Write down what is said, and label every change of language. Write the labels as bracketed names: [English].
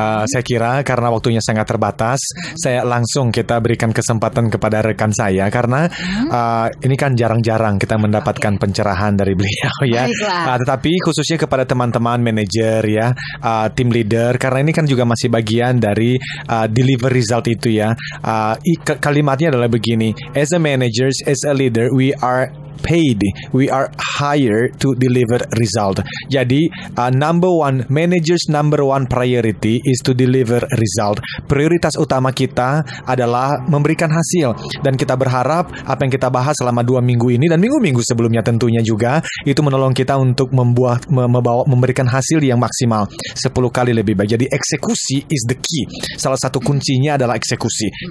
[Indonesian] Saya kira karena waktunya sangat terbatas, saya langsung kita berikan kesempatan kepada rekan saya, karena ini kan jarang-jarang kita mendapatkan pencerahan dari beliau ya. Tetapi khususnya kepada teman-teman manajer ya, team leader, karena ini kan juga masih bagian dari deliver result itu ya. Kalimatnya adalah begini: [English] as a managers, as a leader, we are paid, we are hired to deliver result. Jadi number one, manager's number one priority is to deliver result. [Indonesian] Prioritas utama kita adalah memberikan hasil, dan kita berharap apa yang kita bahas selama 2 minggu ini dan minggu-minggu sebelumnya tentunya juga itu menolong kita untuk memberikan hasil yang maksimal 10 kali lebih baik. Jadi eksekusi [English] is the key. [Indonesian] Salah satu kuncinya adalah eksekusi.